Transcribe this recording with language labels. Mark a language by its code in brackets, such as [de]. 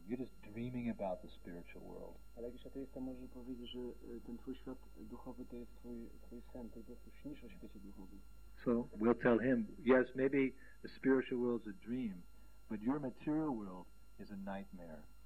[en] You're just dreaming about the spiritual world. [pl] Ale jakiś ateista może powiedzieć, że ten twój świat duchowy to jest twój sen, ty po prostu śnisz o świecie duchowym. [en] So we'll tell him, yes, maybe the spiritual world is a dream, but your material world is a nightmare.